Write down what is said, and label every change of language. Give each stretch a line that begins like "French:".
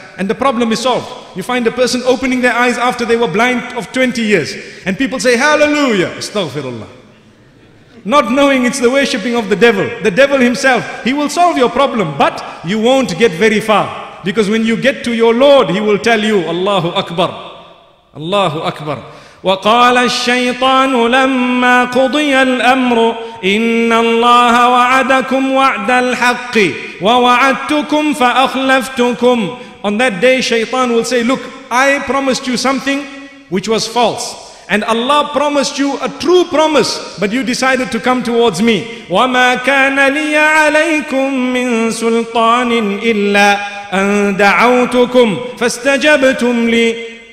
English: And the problem is solved. You find a person opening their eyes after they were blind of 20 years. And people say, hallelujah, astaghfirullah. Not knowing it's the worshipping of the devil. The devil himself, he will solve your problem, but you won't get very far. Because when you get to your Lord, he will tell you, Allahu Akbar, Allahu Akbar.
Arabic: وقال الشيطان لما قضي الأمر إن الله وعدكم وعد الحق ووعدتكم فأخلفتكم.
English: On that day, shaitan will say, look, I promised you something which was false. And Allah promised you a true promise, but you decided to come towards me.
Arabic: وَمَا كَانَ لِيَ عَلَيْكُم مِّن سُلْطَانٍ إِلَّا أَن دَعَوْتُكُمْ فَاسْتَجَبْتُمْ لِي.